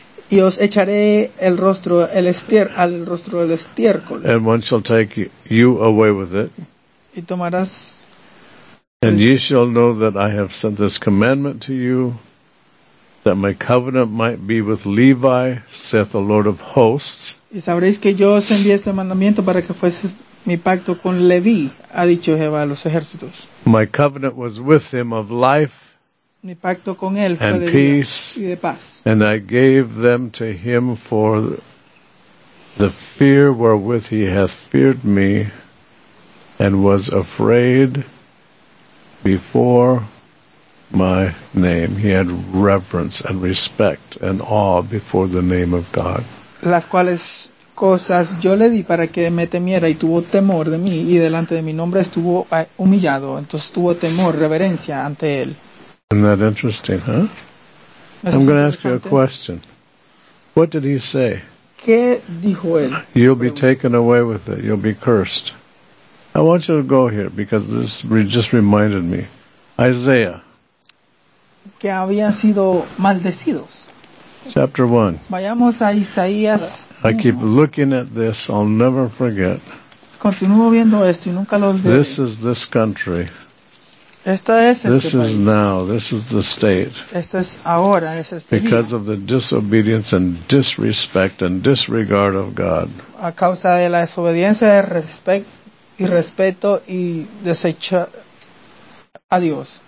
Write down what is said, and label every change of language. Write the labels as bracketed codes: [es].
[es] Y os echaré el rostro, el al rostro del estiércol. [en] And one shall take you away with it. [es] Y tomarás. [en] And ye shall know that I have sent this commandment to you, that my covenant might be with Levi, saith the Lord of hosts. [es] Y sabréis que yo os envié este mandamiento para que fuese mi pacto con Leví, ha dicho Jehová a los ejércitos. [en] My covenant was with him of life [es] mi pacto con él [en] and [es] fue de [en] peace, [es] y de paz. [en] And I gave them to him for the fear wherewith he hath feared me and was afraid before my name. He had reverence and respect and awe before the name of God. [es] Las cuales cosas yo le di para que me temiera y tuvo temor de mí y delante de mi nombre estuvo humillado. Entonces tuvo temor, reverencia ante él. [en] Isn't that interesting, huh? I'm going to ask you a question. What did he say? [es] ¿Qué dijo él? [en] You'll be taken away with it. You'll be cursed. I want you to go here because this just reminded me. Isaiah. [es] Que habían sido maldecidos. [en] Chapter 1. [es] Vayamos a Isaías. [en] I keep looking at this. I'll never forget. [es] Continúo viendo esto y nunca lo olvidaré. [en] This is this country. [es] Esta es este [en] this [es] país. [en] Is now. This is the state. [es] Esta es ahora, es este [en] because [es] día. [en] Of the disobedience and disrespect and disregard of God. [es] A causa de la desobediencia de y respeto y desecho a Dios.